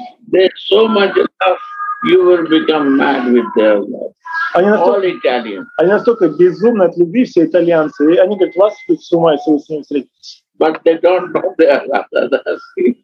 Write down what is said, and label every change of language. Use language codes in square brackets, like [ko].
[en] There's so much love, you will become mad with their love. All Italian. [ru] Они настолько безумны от любви, все итальянцы. И они говорят, вас будет с ума, если вы с ними встретитесь. [en] But they don't know they are Radha-даси.